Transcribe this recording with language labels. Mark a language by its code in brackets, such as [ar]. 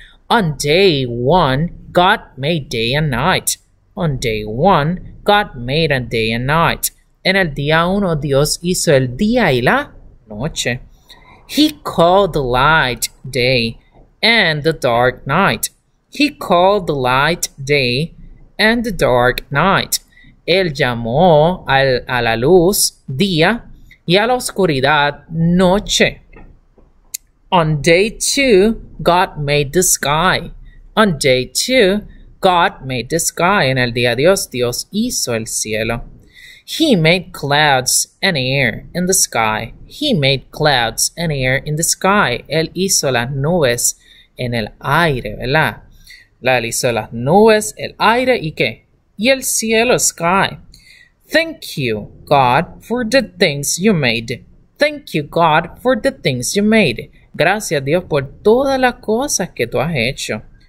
[en] On day one, God made day and night. On day one, God made a day and night. [es] En el día uno, Dios hizo el día y la noche. [en] He called the light day and the dark night. He called the light day and the dark night. [es] Él llamó a la luz día y a la oscuridad noche. [en] On day two, God made the sky. On day two, God made the sky. [es] En el día Dios, Dios hizo el cielo. [en] He made clouds and air in the sky. He made clouds and air in the sky. [es] Él hizo las nubes en el aire, ¿verdad? Él hizo las nubes, el aire, ¿y qué? Y el cielo, sky. [en] Thank you, God, for the things you made. Thank you, God, for the things you made. [es] Gracias, Dios, por todas las cosas que tú has hecho.